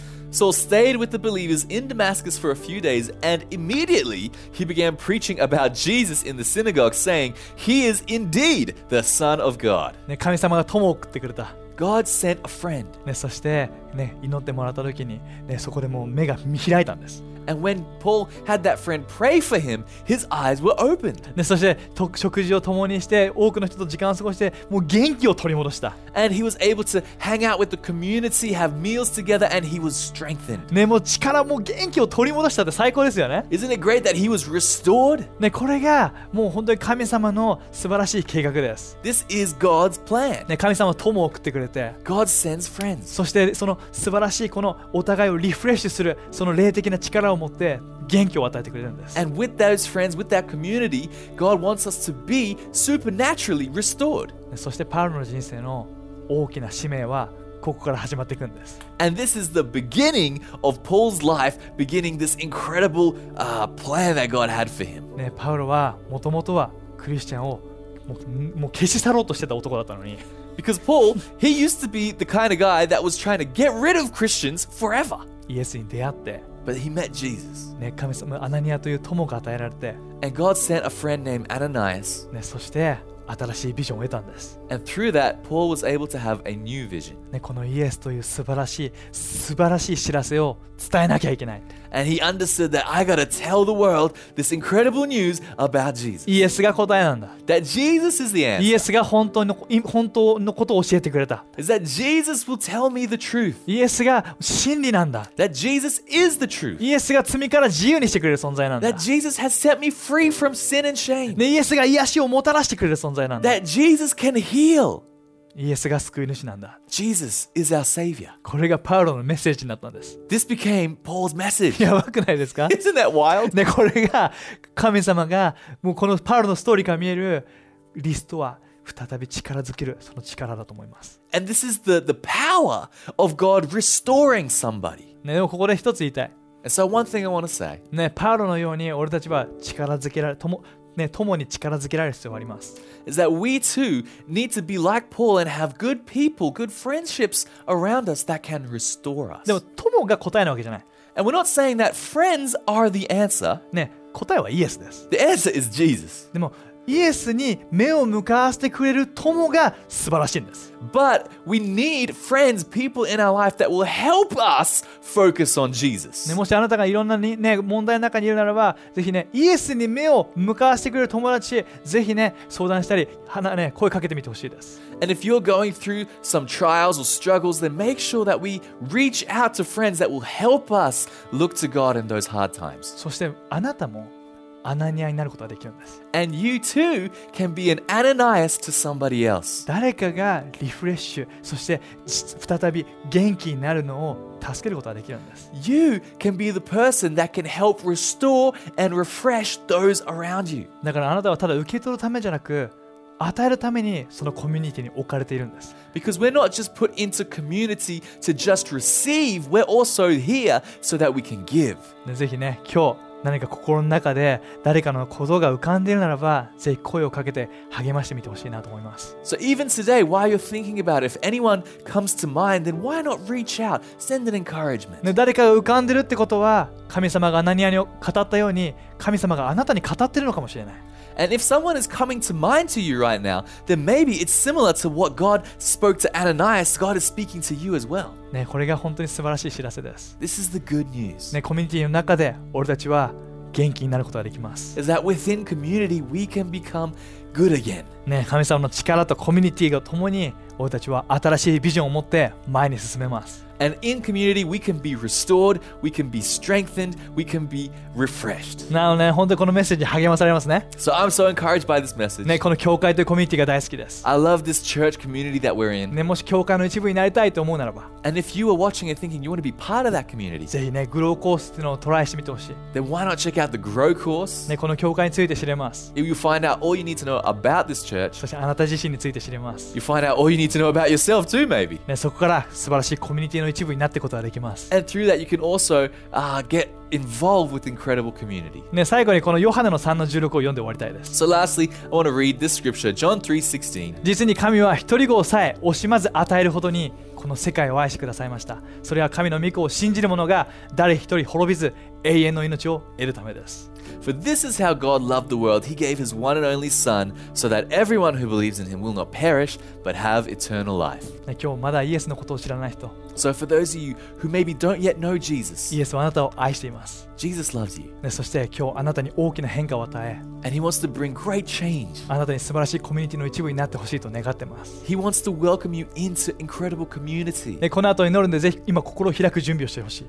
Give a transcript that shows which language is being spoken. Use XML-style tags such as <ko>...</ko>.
<en>Saul stayed with the believers in Damascus for a few days and immediately he began preaching about Jesus in the synagogue saying he is indeed the Son of God.</en> <ja>ね、神様が友を送ってくれた。</ja> <en>God sent a friend.</en> <ja>ね、そして、ね、祈ってもらった時に、ね、そこでもう目が見開いたんです。</ja> <en>And when Paul had that friend pray for him, his eyes were opened.</en> <ja>ね、そして食事を共にして多くの人と時間を過ごしてもう元気を取り戻した。</ja> <en>And he was able to hang out with the community, have meals together, and he was strengthened.</en> <ja>ね、もう力も元気を取り戻したって最高ですよね。</ja> <en>Isn't it great that he was restored?</en> <ja>ね、これがもう本当に神様の素晴らしい計画です。</ja> <en>This is God's plan.</en> <ja>ね、神様は友を送ってくれて。</ja> <en>God sends friends.</en> <ja>そしてその素晴らしいこのお互いをリフレッシュするその霊的な力を持って元気を与えてくれるんです。</ja> <en>And with those friends, with that community, God wants us to be supernaturally restored.</en> <ja>ね、そしてパウロの人生の大きな使命はここから始まっていくんです。</ja> <en>And this is the beginning of Paul's life, beginning this incredible plan that God had for him.</en> <ja>ね、パウロはもともとはクリスチャンをもう消し去ろうとしてた男だったのに。</ja> <en>Because Paul, he used to be the kind of guy that was trying to get rid of Christians forever.</en> <ja>イエスに出会って。</ja> <en>But he met Jesus.</en> <ja>ね、神様アナニアという友が与えられて。</ja> <en>And God sent a friend named Ananias.</en> <ja>ね、そして新しいビジョンを得たんです。</ja> <en>And through that, Paul was able to have a new vision.</en> <ja>ね、このイエスという素晴らしい知らせを伝えなきゃいけない。</ja> <en>And he understood that I gotta tell the world this incredible news about Jesus.</en> <ja>イエスが答えなんだ。</ja> <en>That Jesus is the answer.</en> <ja>イエスが本当のことを教えてくれた。</ja> <en>Is that Jesus will tell me the truth.</en> <ja>イエスが真理なんだ。</ja> <en>That Jesus is the truth.</en> <ja>イエスが罪から自由にしてくれる存在なんだ。</ja> <en>That Jesus has set me free from sin and shame.</en> <ja>ね、イエスが癒しをもたらしてくれる存在なんだ。</ja> <en>That Jesus can heal.</en> <ja>イエスが救い主なんだ。</ja> <en>Jesus is our savior.</en> <ja>これがパウロのメッセージになったんです。</ja> <en>This became Paul's message.</en> <ja>やばくないですか？</ja> <en>Isn't that wild?</en> <ja>ね、これが神様がもうこのパウロのストーリーから見えるリストは再び力づけるその力だと思います。</ja> <en>And this is the power of God restoring somebody.</en> <ja>ね、でもここで一つ言いたい。</ja> <en>And so one thing I want to say.</en> <ja>ね、パウロのように俺たちは力づけられとも。ね、共に力づけられる必要があります。</ja> <en>Is that we too need to be like Paul and have good people, good friendships around us that can restore us.</en> <ja>でも、友が答えなわけじゃない。</ja> <en>And we're not saying that friends are the answer.</en> <ja>ね、答えはイエスです。</ja> <en>The answer is Jesus.</en> <ja>でも、イエスに目を向かわせてくれる友が素晴らしいんです。</ja> <en>But we need friends, people in our life that will help us focus on Jesus.、</en> <ja>ね、もしあなたがいろんな、ね、問題の中にいるならば、ぜひね、イエスに目を向かわせてくれる友達、ぜひね、相談したり、ね、声かけてみてほしいです。</ja> <en>And if you're going through some trials or struggles, then make sure that we reach out to friends that will help us look to God in those hard times.</en> <ja>そしてあなたも、アナニアになることができるんです。</ja> <en>And you too can be an Ananias to somebody else.</en> <ja>誰かがリフレッシュ、そして再び元気になるのを助けることができるんです。</ja> <en>You can be the person that can help restore and refresh those around you.</en> <ja>だからあなたはただ受け取るためじゃなく、与えるためにそのコミュニティに置かれているんです。</ja> <en>Because we're not just put into community to just receive, we're also here so that we can give.</en> <ja>ね、ぜひね、今日何か心の中で誰かの鼓動が浮かんでいるならば、ぜひ声をかけて励ましてみてほしいなと思います。</ja> <en>So even today, while you're thinking about it, if anyone comes to mind, then why not reach out, send an encouragement?、</en> <ja>ね、誰かが浮かんでいるってことは、神様がアナニアに語ったように、神様があなたに語っているのかもしれない。</ja> <en>And if someone is coming to mind to you right now, then maybe it's similar to what God spoke to Ananias. God is speaking to you as well.、</en> <ja>ね、これが本当に素晴らしい知らせです。</ja> <en>This is the good news.、</en> <ja>ね、コミュニティの中で俺たちは元気になることができます。</ja> <en>Is that within community we can become good again.、</en> <ja>ね、神様の力とコミュニティが共に俺たちは新しいビジョンを持って前に進めます。</ja> <en>And in community, we can be restored, we can be strengthened, we can be refreshed.</en> <ja>なので、本当にこのメッセージに励まされますね。</ja> <en>So I'm so encouraged by this message.</en> <ja>ね、この教会というコミュニティが大好きです。</ja> <en>I love this church community that we're in.</en> <ja>ね、もし教会の一部になりたいと思うならば。</ja> <en>And if you are watching and thinking you want to be part of that community.</en> <ja>ぜひね、グローコースというのをトライしてみてほしい。</ja> <en>Then why not check out the Grow course?</en> <ja>ね、この教会について知れます。</ja> <en>You find out all you need to know about this church.</en> <ja>そしてあなた自身について知れます。</ja> <en>You find out all you need to know about yourself too, maybe.</en> <ja>ね、そこから素晴らしいコミュニティの一部になっていくことができます。</ja> <en>And through that, you can also, get involved with incredible community.</en> <ja>ね、最後にこのヨハネの3の16を読んで終わりたいです。</ja> <en>So lastly, I want to read this scripture, John 3:16.</en> <ja>実に神は一人子をさえ惜しまず与えるほどにこの世界を愛してくださいました。それは神の御子を信じる者が誰一人滅びず永遠の命を得るためです。</ja> <en>For this is how God loved the world. He gave his one and only Son, so that everyone who believes in him will not perish, but have eternal life.</en> <ja>今日まだイエスのことを知らない人。</ja> <en>So for those of you who maybe don't yet know Jesus,</en> <ja>イエスはあなたを愛しています。</ja> <en>Jesus loves you.</en> <ja>そして今日あなたに大きな変化を与え。</ja> <en>And he wants to bring great change.</en> <ja>あなたに素晴らしいコミュニティの一部になってほしいと願ってます。</ja> <en>He wants to welcome you into incredible community.</en> <ja>この後祈るんで、ぜひ今心を開く準備をしてほしい。</ja>